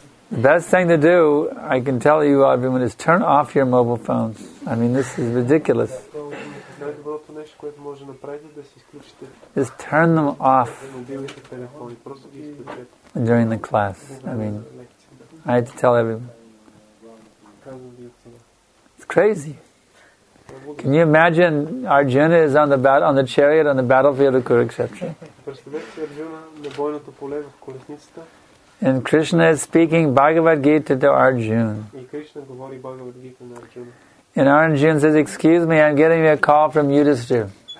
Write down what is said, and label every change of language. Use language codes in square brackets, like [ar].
[en] The best thing to do, I can tell you, everyone, is turn off your mobile phones. I mean, this is ridiculous. [bg] Най-доброто нещо, което може да направите, да си изключите. [en] Just turn them off. [bg] Мобилните телефони, просто ги изключете. [en] During the class, I mean, I had to tell everyone. It's crazy. Can you imagine Arjuna is on the chariot on the battlefield of Kurukshetra? [bg] Представете си Арджуна на бойното поле в колесницата. [en] And Krishna is speaking Bhagavad Gita to Arjuna. [bg] И Кришна говори Бхагавад Гита на Арджуна. [en] And Arjun says, excuse me, I'm getting a call from Yudhisthira.